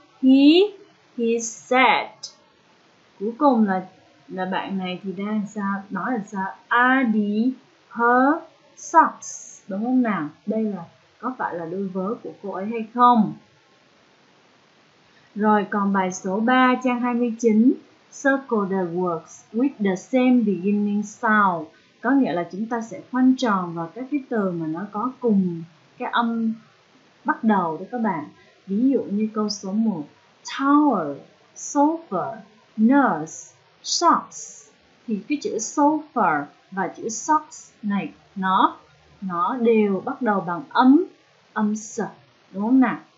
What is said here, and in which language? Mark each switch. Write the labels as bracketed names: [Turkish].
[English] He is sad. [Vietnamese] Cuối cùng là bạn này thì đang sao? Nói là sao? [English] Are her socks? [Vietnamese] Đúng không nào? Đây là có phải là đôi vớ của cô ấy hay không? Rồi còn bài số 3 trang 29. [English] Circle the words with the same beginning sound. [Vietnamese] Có nghĩa là chúng ta sẽ khoanh tròn vào các cái từ mà nó có cùng cái âm bắt đầu đó các bạn. Ví dụ như câu số 1. [English] Tower, sofa, nurse, socks. [Vietnamese] Thì cái chữ sofa và chữ socks này nó đều bắt đầu bằng âm s, đúng không nào?